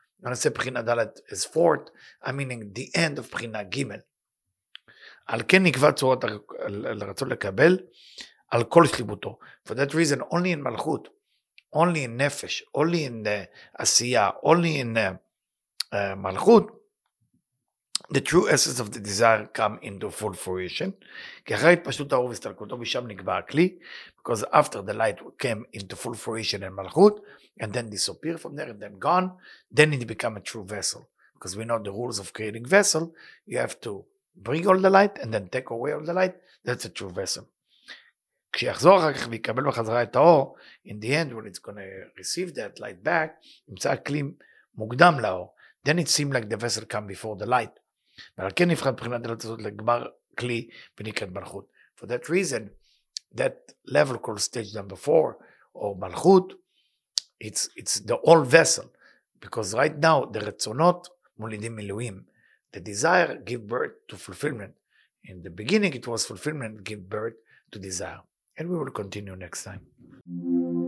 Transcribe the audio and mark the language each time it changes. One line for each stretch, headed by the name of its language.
English: When I say Bechina Dalet is fourth, I'm meaning the end of Bechina Gimel.
Hebrew: על כן נקבע צורת לרצון לקבל על כל שליבותו.
English: For that reason, only in מלכות, only in nefesh, only in the asiyah, only in the malchut, the true essence of the desire come into full fruition. Because after the light came into full fruition in malchut, and then disappear from there, and then gone, then it become a true vessel. Because we know the rules of creating vessel, you have to bring all the light, and then take away all the light, that's a true vessel.
Hebrew: כשיחזור אחר כך ויקבל בחזרה את האור,
English: in the end when it's going to receive that light back,
Hebrew: ימצא כלים מוקדם לאור.
English: Then it seems like the vessel come before the light.
Hebrew: ועל כן נבחן בחינת דלת הזאת לגמר כלי ונקראת מלכות.
English: For that reason, that level called stage number 4, or מלכות, it's the old vessel. Because right now, the
Hebrew: רצונות מולידים מילואים.
English: The desire give birth to fulfillment. In the beginning it was fulfillment give birth to desire. And we will continue next time.